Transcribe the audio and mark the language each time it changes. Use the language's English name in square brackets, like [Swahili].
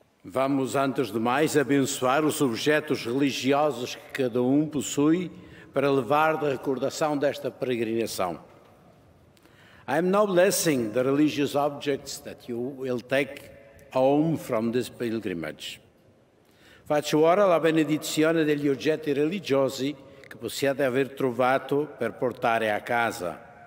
[Portuguese] Vamos, antes de mais, abençoar os objetos religiosos que cada um possui para levar de recordação desta peregrinação. [English] I am now blessing the religious objects that you will take home from this pilgrimage. [Italian] Faccio ora la benedizione degli oggetti religiosi che possiate aver trovato per portare a casa.